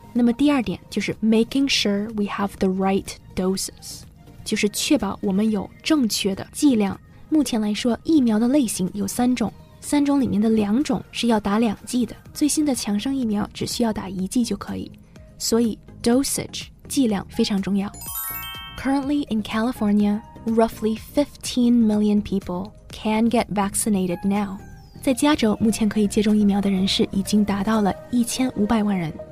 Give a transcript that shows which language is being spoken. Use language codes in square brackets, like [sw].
[zh] 那么第二点就是 making sure we have the right doses, 就是确保我们有正确的剂量。目前来说疫苗的类型有三种，三种里面的两种是要打两剂的，最新的强生疫苗只需要打一剂就可以。所以 dosage, 剂量非常重要。 [en] Currently in California, roughly 15 million people can get vaccinated now. [zh] 在加州目前可以接种疫苗的人士已经达到了1500万人。